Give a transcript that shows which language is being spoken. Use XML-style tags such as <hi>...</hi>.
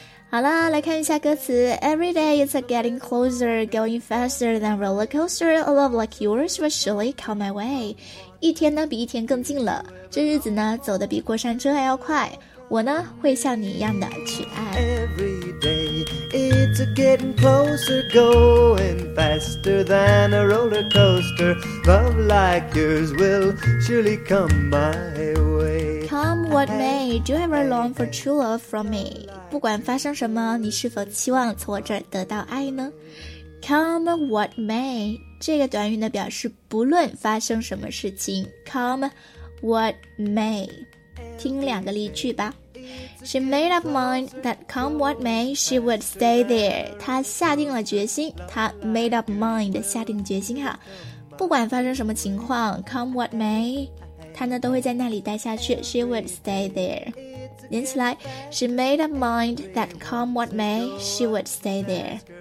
<zh>好了来看一下歌词 Every day it's a getting closer Going faster than roller coaster A love like yours will surely come my way 一天呢比一天更近了这日子呢走得比过山车还要快我呢会像你一样的去爱</zh> <en>Every day it's a getting closer Going faster than a roller coaster Love like yours will surely come my way Come what may, do you ever long for true love from me?</en> <zh>不管发生什么，你是否期望从我这儿得到爱呢？ Come what may, 这个短语呢表示不论发生什么事情。 Come what may, 听两个例句吧。</zh> <en>She made up mind that come what may, she would stay there.</en> <zh>她下定了决心，她 made up mind, 下定决心哈。不管发生什么情况 , come what may, 他呢都会在那里待下去 She would stay there 连起来 She made up mind that come what may She would stay there</zh>